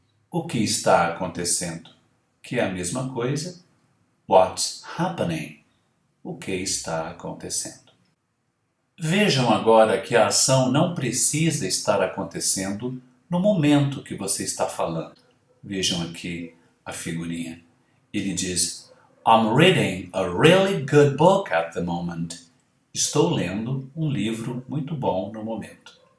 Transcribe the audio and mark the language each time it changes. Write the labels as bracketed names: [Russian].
[Portuguese] O que está acontecendo? Que é a mesma coisa. [English] What's happening? [Portuguese] O que está acontecendo? Vejam agora que a ação não precisa estar acontecendo no momento que você está falando. Vejam aqui a figurinha. Ele diz, [English] I'm reading a really good book at the moment. [Portuguese] Estou lendo um livro muito bom no momento.